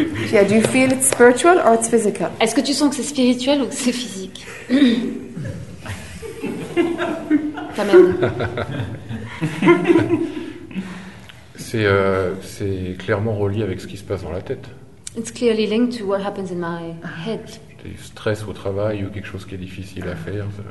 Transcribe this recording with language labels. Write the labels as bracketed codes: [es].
[en] Yeah, do you feel it's spiritual or it's physical? [fr] Est-ce que tu sens que c'est spirituel ou que c'est physique? C'est clairement relié avec ce qui se passe dans la tête. [en] It's clearly linked to what happens in my head. [fr] Du stress au travail ou quelque chose qui est difficile à faire.